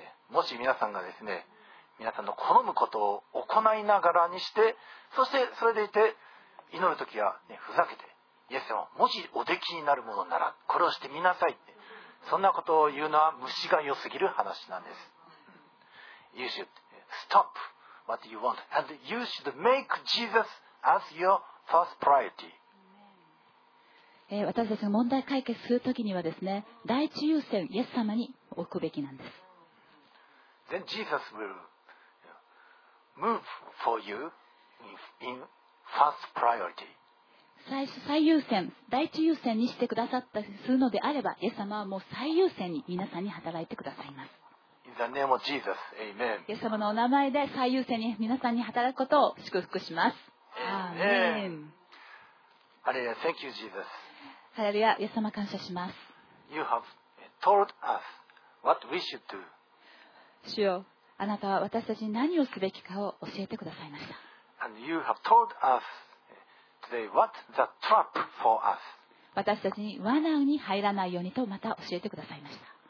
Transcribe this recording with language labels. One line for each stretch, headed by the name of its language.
Japanese: もし皆さんがですね、皆さんの好むことを行いながらにして、そしてそれでいて祈るときは、ね、ふざけて、イエス様、もしおできになるものならこれをしてみなさいって、そんなことを言うのは虫が良すぎる話なんです。
English: You should stop. What you want, and you should make Jesus as your first priority.
Japanese: 私たちが問題解決するときにはですね、第一優先イエス様に置くべきなんです。
English: Then Jesus will move for you in first priority.
Japanese: 最優先、第一優先にしてくださったりするのであれば、イエス様はもう最優先に皆さんに働いてくださいます。
English: In the name of Jesus. Amen.
Japanese: イエス様のお名前で最優先に皆さんに働くことを祝福します。アーメン。ハレルヤ。
English: Thank you, Jesus.
Japanese: ハレルヤ。イエス様感謝します。
English: You have told us what we should do.
Japanese: 主よ、あなたは私たちに何をすべきかを教えてくださいました。
English: And you have told us today what the trap for us.
Japanese: 私たちに罠に入らないようにとまた教えてくださいました。